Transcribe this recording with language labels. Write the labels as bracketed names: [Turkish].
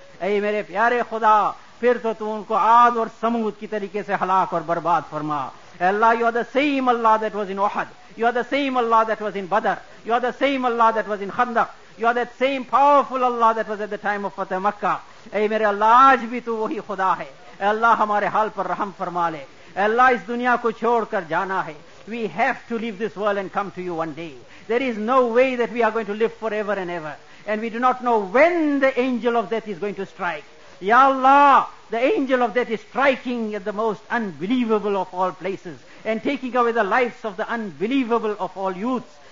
[Urdu] Ay mere pyare Khuda, پھر تو تو ان کو عاد اور سمود کی طریقے سے ہلاک اور برباد فرما اے اللہ [English] you are the same Allah that was in [Urdu] Uhud [English] you are the same Allah that was in Badr you are the same Allah that was in Khandaq you are that same powerful Allah that was at the time of [Urdu] فتح مکہ اے میرے اللہ آج بھی تو وہی خدا ہے اے اللہ ہمارے حال پر رحم فرما لے. اے اللہ اس دنیا کو چھوڑ کر جانا ہے. [English] We have to leave this world and come to you one day. There is no way that we are going to live forever and ever. And we do not know when the angel of death is going to strike. Ya Allah, the angel of death is striking at the most unbelievable of all places and taking away the lives of the unbelievable of all youths.